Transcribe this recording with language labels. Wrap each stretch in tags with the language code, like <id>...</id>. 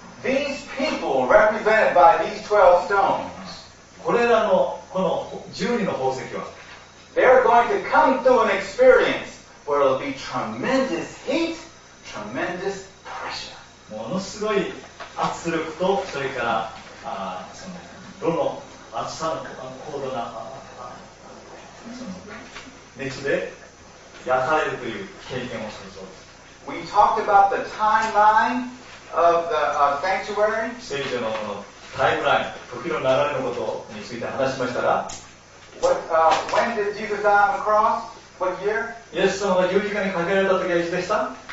<en>These people represented by these 12 stones.</en> <ja>これらのこの12の宝石は</ja> <en>They are going to come through an experience where it will be tremendous heat, tremendous pressure.</en> <ja>ものすごい圧力とそれからそのどの熱さの高度なその熱で焼かれるという経験をするそうです。</ja> <en>We talked about the timeline of the sanctuary.</en> <ja>聖所のこのタイムライン、時の流れのことについて話しましたが、</ja> <en>When did Jesus die on the cross? What year?</en> <ja>イエス様が十字架にかけられた時はいつでした</ja>